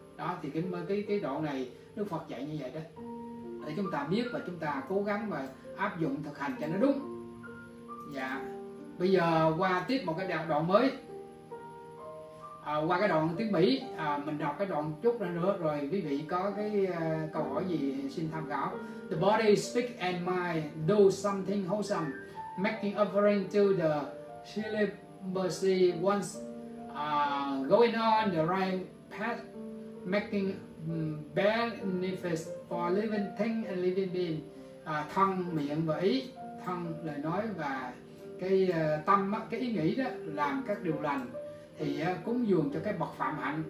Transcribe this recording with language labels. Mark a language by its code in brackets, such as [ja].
[vi] Đó thì cái đoạn này Đức Phật dạy như vậy đó, để chúng ta biết và chúng ta cố gắng và áp dụng thực hành cho nó đúng. Dạ, bây giờ qua tiếp một cái đoạn mới, qua cái đoạn tiếng Mỹ, mình đọc cái đoạn chút nữa rồi quý vị có cái câu hỏi gì xin tham khảo. [en] The body speak and mind do something wholesome, making offering to the celibacy once going on the right path, making benefits for living thing and living being. [vi] Thân, miệng và ý, thân, lời nói và cái tâm, cái ý nghĩ đó, làm các điều lành thì cúng dường cho cái bậc phạm hạnh.